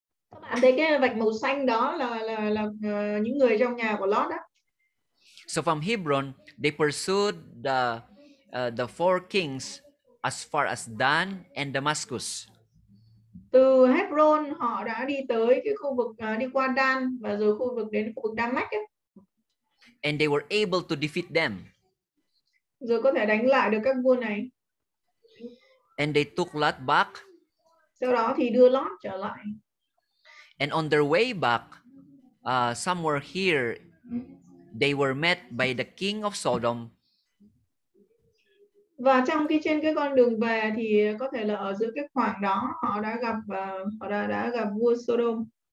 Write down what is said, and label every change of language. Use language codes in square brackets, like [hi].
[vi] Các bạn thấy cái vạch màu xanh đó là những người trong nhà của Lot đó. [en] So from Hebron they pursued the four kings as far as Dan and Damascus. [vi] Từ Hebron họ đã đi tới cái khu vực đi qua Dan và rồi khu vực đến khu vực Damascus. [en] And they were able to defeat them. [vi] Rồi có thể đánh lại được các vua này. [en] And they took Lot back. [vi] Sau đó thì đưa Lot trở lại. [en] And on their way back, somewhere here, they were met by the king of Sodom. [vi] Và trong cái trên cái con đường về thì có thể là ở giữa cái khoảng đó họ đã gặp vua Sodom.